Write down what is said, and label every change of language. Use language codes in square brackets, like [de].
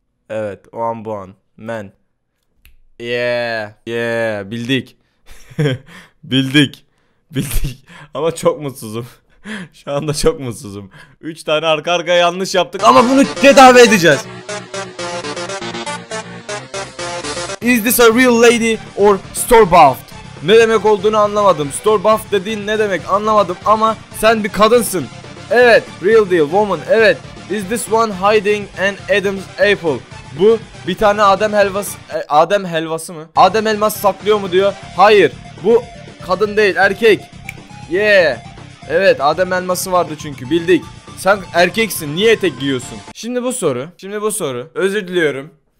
[tr] Evet o an bu an. Men. Yeah, bildik. bildik. Ama çok mutsuzum. Şu anda çok mutsuzum. 3 tane arka arkaya yanlış yaptık ama bunu tedavi edeceğiz. [en] Is this a real lady or store-bought? [tr] Ne demek olduğunu anlamadım. Store-bought dediğin ne demek anlamadım ama sen bir kadınsın. Evet, [en] real deal woman. [tr] Evet. [en] Is this one hiding an Adam's apple? [tr] Bu bir tane Adem helvası mı? Adem elması saklıyor mu diyor. Hayır. Bu kadın değil, erkek. Yeah. Evet, Adem elması vardı çünkü bildik. Sen erkeksin. Niye etek giyiyorsun? Şimdi bu soru. Özür diliyorum.